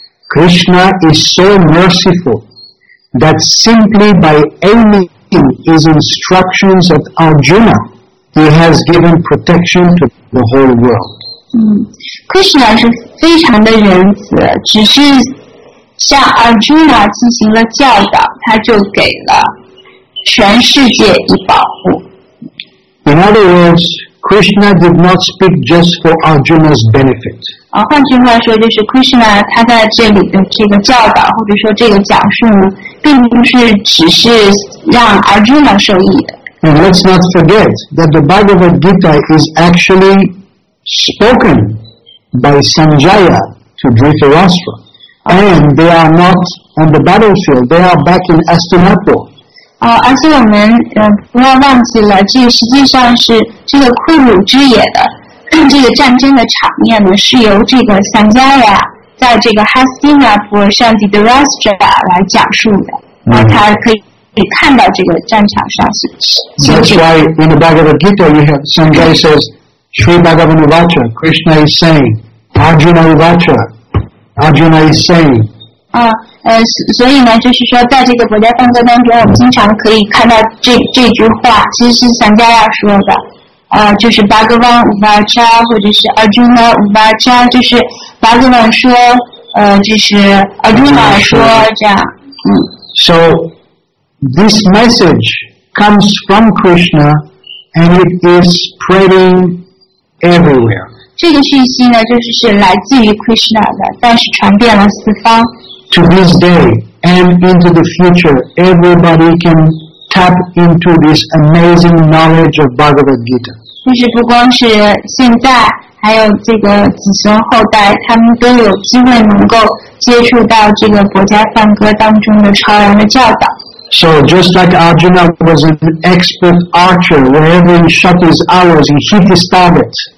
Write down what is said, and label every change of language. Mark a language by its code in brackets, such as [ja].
[en] Krishna is so merciful that simply by aiming his instructions at Arjuna, he has given protection to the whole world. [zh] Krishna 是非常的仁慈，只是。向阿朱娜进行了教导，他就给了全世界一保护。 [en] In other words, Krishna did not speak just for Arjuna's benefit. [zh] 换句话说，就是 Krishna 他在这里的这个教导，或者说这个讲述，并不是只是让阿朱娜受益的。 [en] And let's not forget that the Bhagavad Gita is actually spoken by Sanjaya to Dhritarashtra. And they are not on the battlefield. They are back in Astinapo. [zh] 而且我们不要忘记了，这实际上是这个库鲁之野的这个战争的场面呢，是由这个桑加亚在这个 Hastinapo 上的 Dhritarashtra 来讲述的。他可以看到这个战场上是。 [en] That's why in the Bhagavad Gita, you have Sanjaya says, [sa] "Sri Bhagavan Uvacha, [en] Krishna is saying, [sa] Arjuna Uvacha." [en] Arjuna is saying. [zh] 所以呢，就是说，在这个国家梵歌当中，我们经常可以看到这句话，其实是桑加亚说的。就是 [sa] Bhagavan Uvacha [zh] 或者是 [sa] Arjuna Uvacha， [zh] 就是 Bhagavan 说，就是 Arjuna 说这样。 [en] So this message comes from Krishna and it is spreading everywhere. [zh] 这个讯息呢，就是是来自于 Krishna 的，但是传遍了四方。 [en] To this day and into the future, everybody can tap into this amazing knowledge of Bhagavad Gita. [zh] 就是不光是现在，还有这个子孙后代，他们都有机会能够接触到这个佛家梵歌当中的超然的教导。 [en] So just like Arjuna was an expert archer, whenever he shot his arrows, he hit his target.